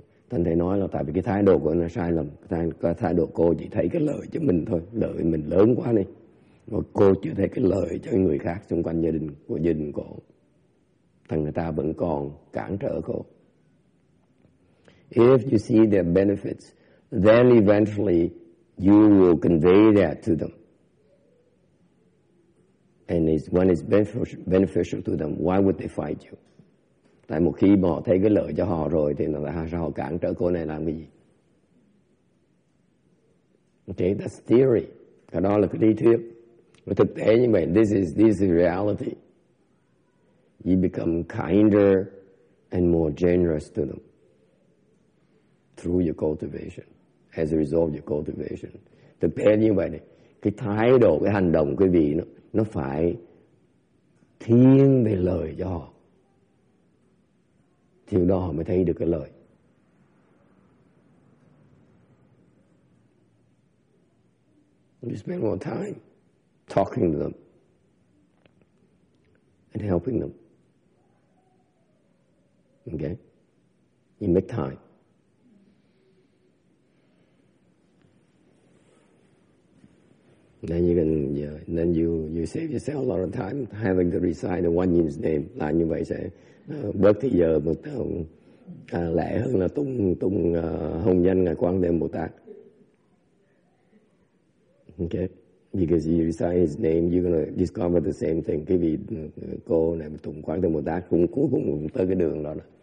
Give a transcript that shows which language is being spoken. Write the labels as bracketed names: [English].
[Vietnamese] Thành thầy nói là tại vì cái thái độ của anh là sai lầm. Cái thái độ cô chỉ thấy cái lợi cho mình thôi. Lợi mình lớn quá đi. Mà cô chỉ thấy cái lợi cho người khác xung quanh gia đình của gia đình cô. Thằng người ta vẫn còn cản trở cô. [English] If you see their benefits, then eventually you will convey that to them. And it's, when it's beneficial to them, why would they fight you? [Vietnamese] Tại một khi mà họ thấy cái lợi cho họ rồi thì sao họ cản trở cô này làm cái gì? [English] Okay, that's theory. [Vietnamese] Cái đó là cái lý thuyết. Và thực tế như vậy, [English] this is reality. You become kinder and more generous to them through your cultivation, as a result of your cultivation. [Vietnamese] Thực tế như vậy này, cái thái độ, cái hành động quý vị nó phải thiên về lời cho họ. Thì đó họ mới thấy được cái lời. [English] You spend more time talking to them and helping them. Okay? You make time. Then you can, then you save yourself a lot of time having to recite the one in his name. [Vietnamese] Là như vậy sẽ bớt thì giờ mà lẹ hơn là tung hồng danh Ngài Quang Thế Âm Bồ Tát. [English] Okay? Because you recite his name, you're going to discover the same thing. [Vietnamese] Cái vị cô này mà tung Quang Thế Âm Bồ Tát cũng cuối cùng tới cái đường đó.